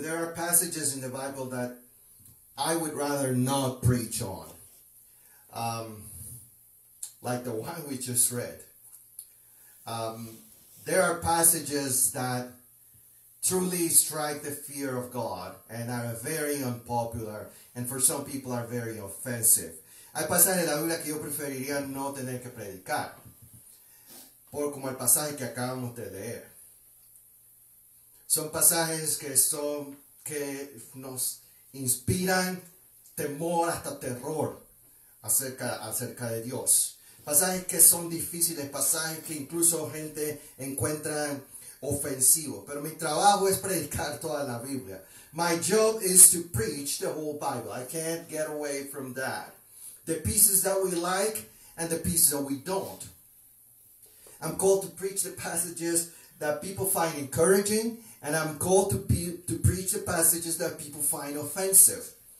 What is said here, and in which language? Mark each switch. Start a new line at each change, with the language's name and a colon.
English: There are passages in the Bible that I would rather not preach on. Like the one we just read. There are passages that truly strike the fear of God and are very unpopular and for some people are very offensive.
Spanish: Hay pasajes de la Biblia que yo preferiría no tener que predicar, por como el pasaje que acabamos de leer. Son pasajes que nos inspiran temor hasta terror acerca de Dios. Pasajes que son difíciles, pasajes que incluso gente encuentra ofensivo, pero mi trabajo es predicar toda la Biblia.
English: My job is to preach the whole Bible. I can't get away from that. The pieces that we like and the pieces that we don't. I'm called to preach the passages that people find encouraging, and I'm called to preach the passages that people find offensive.